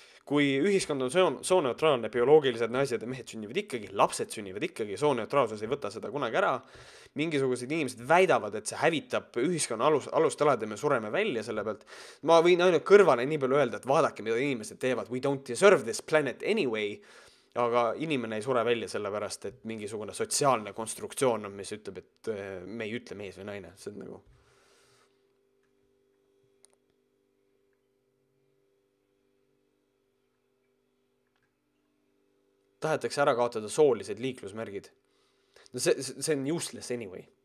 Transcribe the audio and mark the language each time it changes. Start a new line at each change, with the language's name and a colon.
Estonian: Kui ühiskond on sooneutraalne, bioloogilised naised ja mehed sünnivad ikkagi, lapsed sünnivad ikkagi, sooneutraalsus ei võta seda kunagi ära. Mingisugused inimesed väidavad, et see hävitab ühiskonna alust alad ja me sureme välja selle pealt. Ma võin ainult kõrvale nii palju öelda, et vaadake, mida inimesed teevad.
English: We don't deserve this planet anyway.
Estonian: Aga inimene ei sure välja sellepärast, et mingisugune sotsiaalne konstruktsioon on, mis ütleb, et me ei ütle mees või naine. See on nagu... Tahetakse ära kaotada soolised liiklusmärgid. No see on
English: useless anyway.